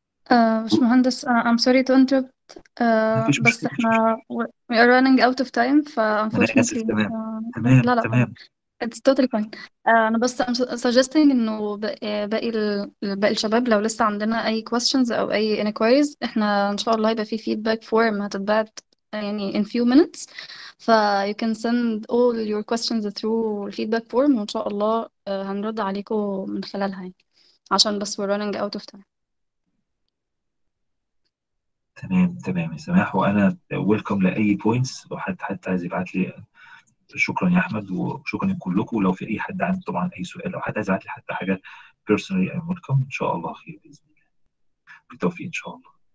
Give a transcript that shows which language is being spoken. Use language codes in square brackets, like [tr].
[en] باشمهندس I'm sorry to interrupt بس احنا we are running out of time ف unfortunately. تمام. It's totally fine. [ar] انا بس suggesting انه باقي الشباب لو لسه عندنا اي questions او اي inquiries احنا ان شاء الله هيبقى في feedback form هتتبعت [en] يعني in few minutes. So you can send all your questions through feedback form وإن شاء الله هنرد عليكم من خلالها يعني. عشان بس we're running out of time. [ar] تمام تمام يا سماح، وأنا welcome لأي points، وحتى عايز يبعت لي. شكرا يا أحمد وشكرا لكلكم، ولو في أي حد عنده طبعا أي سؤال أو حد عايز يبعت لي حتى حاجة personally I'm welcome. إن شاء الله خير بإذن الله، بالتوفيق إن شاء الله.